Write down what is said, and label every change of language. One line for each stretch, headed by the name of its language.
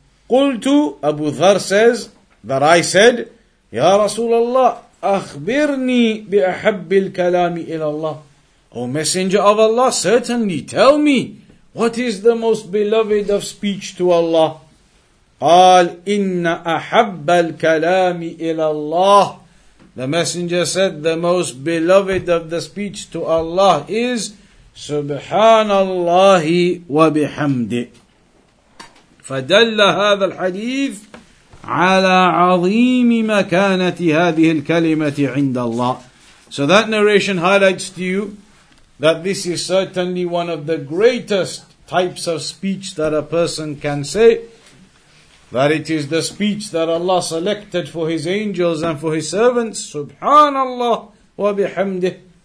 Arabic: قلت,
English: Abu Dharr says, that I said,
Arabic: يا رسول الله أخبرني بأحب الكلام إلى الله.
English: O Messenger of Allah, certainly tell me, what is the most beloved of speech to Allah?
Arabic: قال إن أحب الكلام إلى الله.
English: The Messenger said, the most beloved of the speech to Allah is
Arabic: سبحان الله وبحمده. فدل هذا الحديث على عظيم مكانة هذه الكلمة عند الله.
English: So that narration highlights to you that this is certainly one of the greatest types of speech that a person can say, that it is the speech that Allah selected for His angels and for His servants, Subhanallah wa bihamdih.